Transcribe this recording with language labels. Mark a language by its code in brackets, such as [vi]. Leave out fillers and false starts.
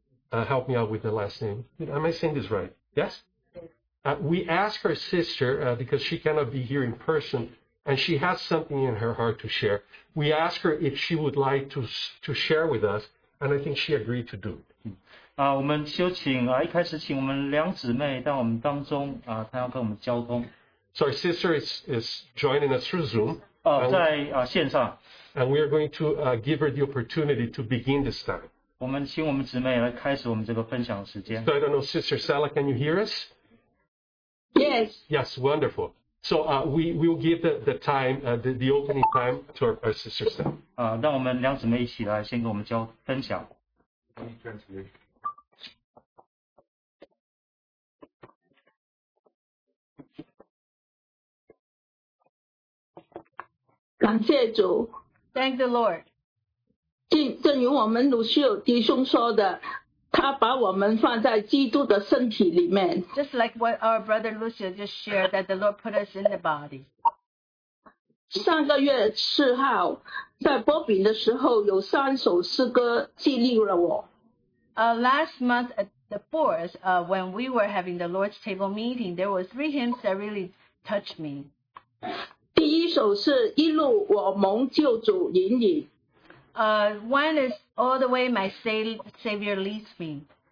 [en] Help me out with the last name. Am I saying this right? Yes? We ask her sister, because she cannot be here in person, and she has something in her heart to share. We ask her if she would like to share with us, and I think she agreed to do it. [zh] 我们休请，一开始请我们两姊妹到我们当中，她要跟我们交通。 [en] So our sister is joining us through Zoom. [zh] 在线上。 [en] And we are going to give her the opportunity to begin this time. [zh] 我们请我们姊妹来开始我们这个分享时间。 [en] So I don't know, Sister Sala, can you hear us? Yes. Yes, wonderful. So we will give the opening time to our sister Sala. [zh] 让我们两姊妹一起来先跟我们分享。感谢主, [en] thank the Lord. [zh] 正如我们卢秀弟兄说的, 他把我们放在基督的身体里面。 [en] Just like what our brother Lucio just shared, that the Lord put us in the body. [zh] 上个月4号, 在波饼的时候, 有三首诗歌激励了我。 [en] Last month at the 4th, when we were having the Lord's table meeting, there were 3 hymns that really touched me. [zh] 第一首是一路我蒙救主引领。 [en] One is All the Way My Savior Leads Me.